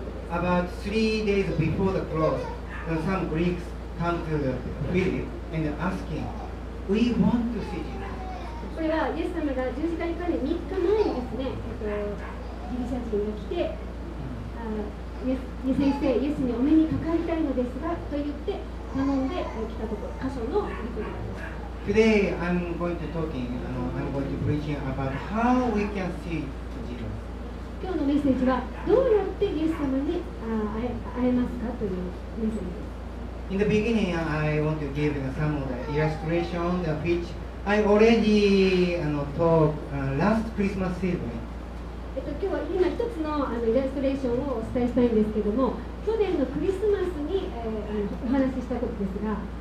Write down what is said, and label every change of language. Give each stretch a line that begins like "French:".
English: About 3 days before the cross, some Greeks come to the Philip and ask him, "We want to see Jesus."
Japanese: これはイエス様が十字架にかかる3日前にですね、ギリシャ人が来て、先生、イエスにお目にかかりたいのですがと言って頼んで来たところ、箇所のリクルです。
English: Today I'm going to talking, I'm going to preaching about how we can see Jesus.
Japanese: 今日のメッセージはどうやってイエス様に会えますかというメッセージです。
English: In the beginning, I want to give some of the illustration of whichI already talked last Christmas evening.
Japanese: 今日は今一つの、イラストレーションをお伝えしたいんですけども、去年のクリスマスに、お話ししたことですが、